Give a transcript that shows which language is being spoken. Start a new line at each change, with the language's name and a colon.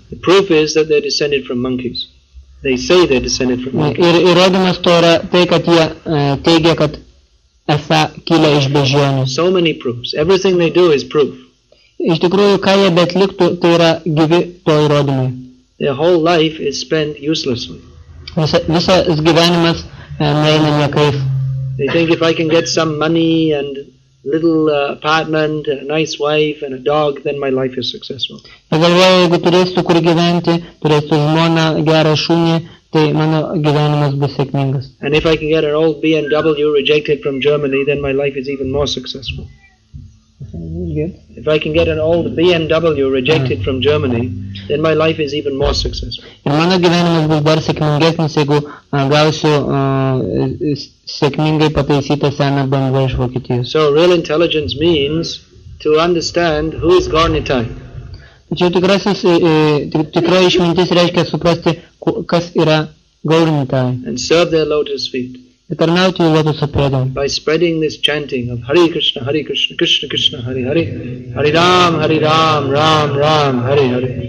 English: The proof is that they're descended from monkeys. They say they're descended from monkeys.
Lithuanian: Ir įrodymas to yra tai, kad jie teigia, kad esą kilę iš beždžionių.
English: So many proofs. Everything they do is proof.
Lithuanian: Iš tikrųjų, ką jie bet liktų, tai yra gyvi to įrodymai.
English: Their whole life is spent uselessly.
Lithuanian: Visas gyvenimas neina niekaip.
English: They think if I can get some money and little apartment, a nice wife and a dog, then my life is successful.
Lithuanian: Jie galvoja, jeigu turėsiu kur gyventi, turėsiu žmoną, gerą šunį, tai mano gyvenimas bus sėkmingas.
English: And if I can get an old BMW rejected from Germany, then my life is even more successful. If I can get an old BMW rejected from Germany, then my life is even more successful.
Lithuanian: Ir mano gyvenimas bus dar sėkmingesnis, jeigu gausiu sėkmingai pataisytą seną BMW iš Vokietijos.
English: So real intelligence means to understand who is Gornitai.
Lithuanian: Tačiau tikroji išmintis reiškia suprasti, kas yra Gornitai.
English: And serve their lotus feet.
Lithuanian: Tarnauti jų lotuso pėdom.
English: By spreading this chanting of Hare Krishna, Hare Krishna, Krishna Krishna, Hare Hare, Hare Ram, Hare Ram, Ram Ram, Hare Hare.